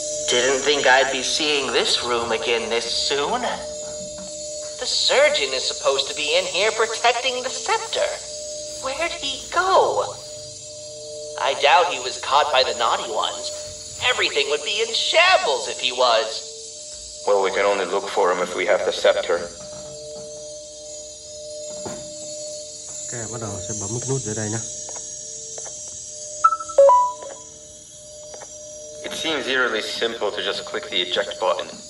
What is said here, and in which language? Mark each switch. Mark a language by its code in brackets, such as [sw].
[en] Didn't think I'd be seeing this room again this soon. The surgeon is supposed to be in here protecting the scepter. Where'd he go? I doubt he was caught by the naughty ones. Everything would be in shambles if he was. Well, we can only look for him if we have the scepter. [vi] Okay, bắt đầu sẽ bấm nút dưới đây nhé. [en] It seems eerily simple to just click the eject button.